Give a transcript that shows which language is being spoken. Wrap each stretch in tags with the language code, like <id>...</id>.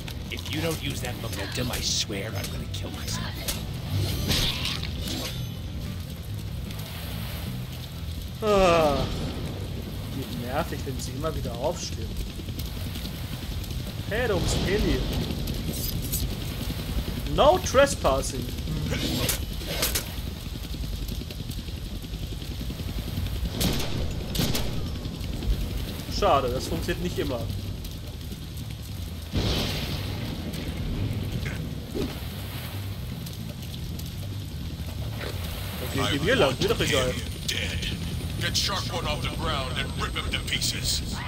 <en>If you don't use that momentum, I swear I'm gonna kill myself.</en> <de>Wie nervig, wenn sie immer wieder aufstehen. Hey, da oben ist ein Heli.</de> <en>No trespassing.</en> <de>Schade, das funktioniert nicht immer. Okay, gehen wir lang, wird doch egal.</de> <en>Get Shark One off the ground and rip him to pieces.</en>